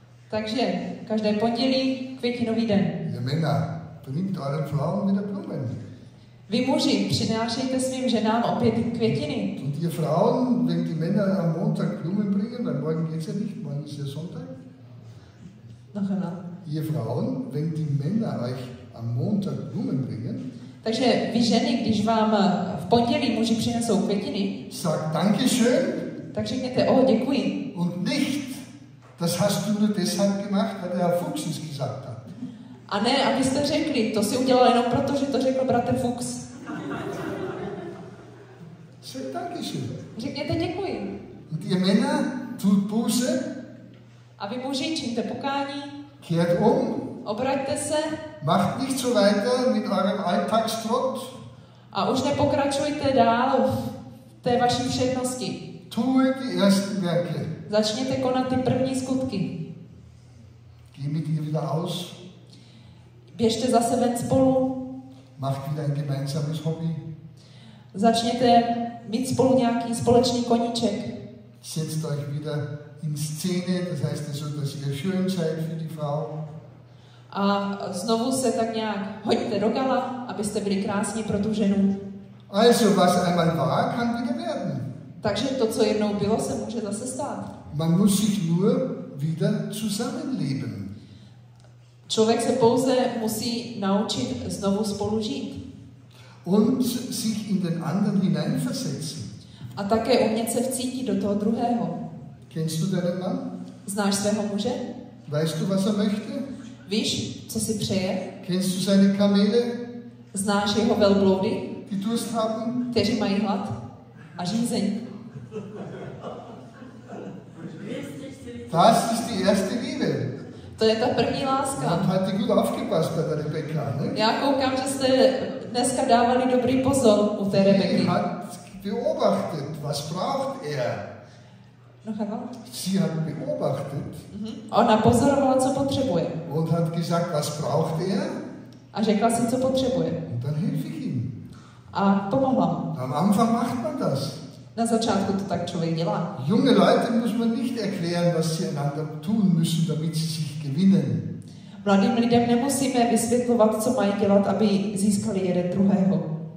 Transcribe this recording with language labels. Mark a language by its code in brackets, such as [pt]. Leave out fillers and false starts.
[cs] Takže, každé pondělí, květinový den. [de] Ihr Männer, bringt eure Frauen wieder Blumen. [cs] Vy muži, přinášejte svým ženám opět květiny. [de] Und ihr Frauen, wenn die Männer am Montag Blumen bringen, dann morgen geht's ja nicht, morgen ist ja Sonntag. Noch einmal. Ihr Frauen, wenn die Männer euch am Montag Blumen bringen, [cs] takže vy ženy, když vám v pondělí muži přinesou květiny, [de] sag danke schön. [cs] Tak řekněte, děkuji. [de] Und nicht, das hast du nur deshalb gemacht, weil der Herr Fuchs es gesagt hat. [cs] A ne, abyste řekli, to si udělal jenom proto, že to řekl bratr Fuchs. Řekl taky si. Řekněte děkuji. Jména, tu půže. A vy muži, čiňte pokání. [de] Kehrt um. [cs] Obraťte se. [de] Macht nicht so weiter mit eurem Alltagstrott. [cs] A už nepokračujte dál v té vaší všednosti. [de] Tue die ersten Werke. [cs] Začněte konat ty první skutky. [de] Geh mit ihr wieder aus. [cs] Běžte zase ven spolu. [de] Macht wieder ein gemeinsames Hobby. [cs] Začněte mít spolu nějaký společný koníček. [de] Setzt euch wieder in Szene, das heißt, es wird sehr schön sein für die Frau. [cs] A znovu se tak nějak hoďte do gala, abyste byli krásní pro tu ženu. [de] Also, was einmal war, kann wieder werden. [cs] Takže to, co jednou bylo, se může zase stát. [de] Man muss sich nur wieder zusammenleben. [cs] Člověk se pouze musí naučit znovu spolu žít. [de] Und sich in den anderen hineinversetzen. [cs] A také umět se vcítit do toho druhého. [de] Kennst du deinen Mann? [cs] Znáš svého muže? [de] Weißt du, was er möchte? [cs] Víš, co si přeje? [de] Kennst du seine Kamele? [cs] Znáš jeho velbloudy? [de] Die Durst haben? [cs] Kteří mají hlad a žízeň. [de] Das ist die erste Liebe. [cs] To je ta první láska. [de] Und hat die gut aufgepasst bei der Rebecca, ne? [cs] Já koukám, že jste dneska dávali dobrý pozor u té Rebeky. [de] Beobachtet, was braucht er? Noch sie hat beobachtet. Mhm. [cs] Ona pozorovala, co potřebuje. [de] Und hat gesagt, was braucht er? [cs] A řekla si, co potřebuje. [de] Und dann helfe ich ihm. [cs] A pomohla. [de] Am Anfang macht man das. [cs] Na začátku to tak člověk dělá. [de] Junge Leute muss man nicht erklären, was sie einander tun müssen, damit sie sich gewinnen. [cs] Mladým lidem nemusíme vysvětlovat, co mají dělat, aby získali jeden druhého.